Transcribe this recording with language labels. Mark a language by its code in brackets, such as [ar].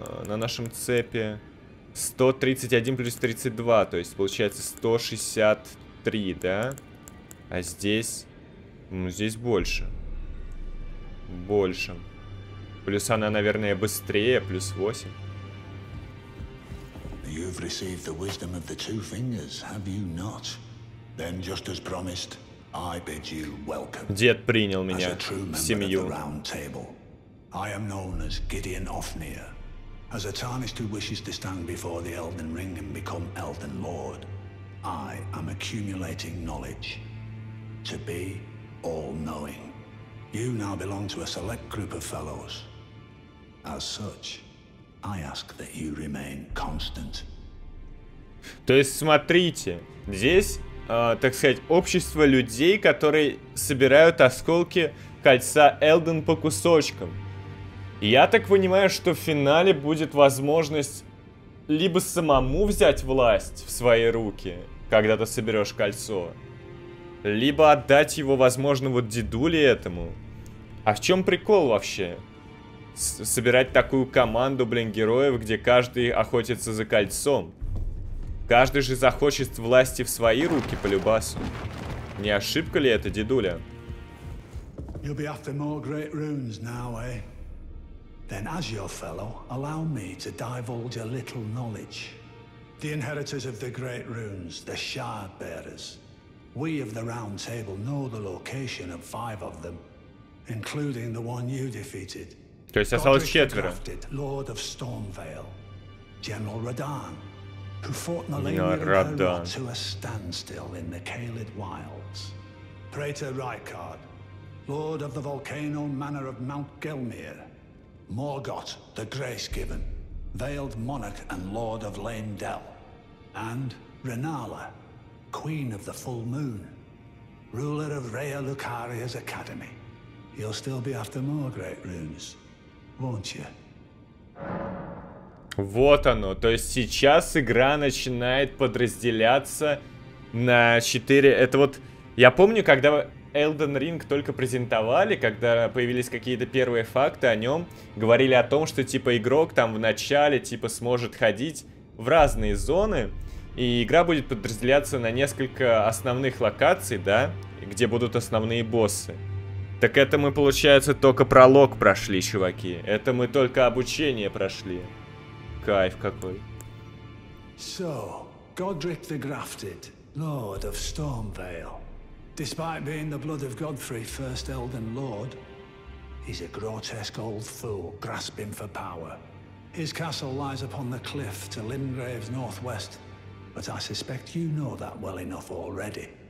[ru] на нашем цепи? 131 плюс 32. То есть получается 163, да? А здесь... ну, здесь больше. Больше. Плюс она, наверное, быстрее. Плюс 8. [en] You've received the wisdom of the two fingers, have you not? Then just as promised, I bid you welcome. [ru] Дед принял меня в семью. [en] I am known as Gideon Ofnir, as a tarnished who wishes to stand before the Elden Ring and become Elden Lord. I am accumulating knowledge, to be all-knowing. You now belong to a select group of fellows. As such, I ask that you remain constant. [ru] То есть смотрите, здесь, так сказать, общество людей, которые собирают осколки кольца Элден по кусочкам. Я так понимаю, что в финале будет возможность либо самому взять власть в свои руки, когда ты соберешь кольцо, либо отдать его, возможно, вот дедуле этому. А в чем прикол вообще? Собирать такую команду, блин, героев, где каждый охотится за кольцом. Каждый же захочет власти в свои руки, полюбасу. Не ошибка ли это, дедуля? [en] You'll be after more great runes now, eh? Then, as your fellow, allow me to divulge a little knowledge. The inheritors of the great runes, the shard bearers. We of the Round Table know the location of five of them, including the one you defeated. [ru] То есть осталось четверо. [en] Lord of Stormvale, General Radahn, who fought Nalaimira to a standstill in the Caelid Wilds. Praetor Rykard, Lord of the Volcano Manor of Mount Gelmir. Morgoth, the Grace Given, Veiled Monarch and Lord of Laemdel, and Renala, Queen of the Full Moon, ruler of Rea Lucaria's Academy. You'll still be after more great runes, won't you? [ru] Вот оно. То есть сейчас игра начинает подразделяться на 4. Это вот, я помню, когда Elden Ring только презентовали, когда появились какие-то первые факты о нем, говорили о том, что типа игрок там в начале типа сможет ходить в разные зоны, и игра будет подразделяться на несколько основных локаций, да, где будут основные боссы. Так это мы, получается, только пролог прошли, чуваки. Это мы только обучение прошли. Кайф какой. [en] So, Godric the Grafted, Lord of Stormvale. Despite being the blood of Godfrey, first Elden Lord, he's a grotesque old fool grasping for power. His castle lies upon the cliff to Lindgrave's northwest, but I suspect you know that well enough already.